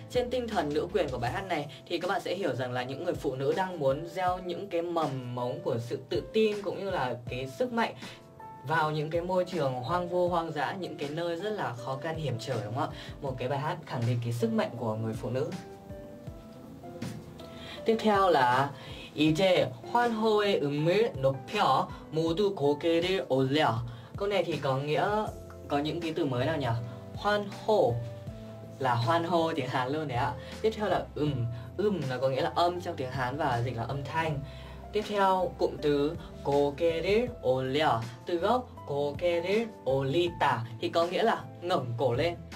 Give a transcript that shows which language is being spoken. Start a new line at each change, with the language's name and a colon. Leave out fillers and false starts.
Vietnamese: Trên tinh thần nữ quyền của bài hát này thì các bạn sẽ hiểu rằng là những người phụ nữ đang muốn gieo những cái mầm mống của sự tự tin cũng như là cái sức mạnh vào những cái môi trường hoang vu hoang dã, những cái nơi rất là khó khăn hiểm trở, đúng không ạ? Một cái bài hát khẳng định cái sức mạnh của người phụ nữ. Tiếp theo là
Korean: 이제 환호의 음을 높여 모두 고개를 올려.
Vietnamese: Câu này thì có nghĩa có những cái từ mới nào nhỉ? Hoan hô là hoan hô tiếng Hàn luôn đấy ạ. Tiếp theo là ừm là có nghĩa là âm trong tiếng Hàn và dịch là âm thanh. Tiếp theo cụm từ
Korean: 고개를 올려,
Vietnamese: từ gốc
Korean: 고개를 올리다
Vietnamese: thì có nghĩa là ngẩng cổ lên.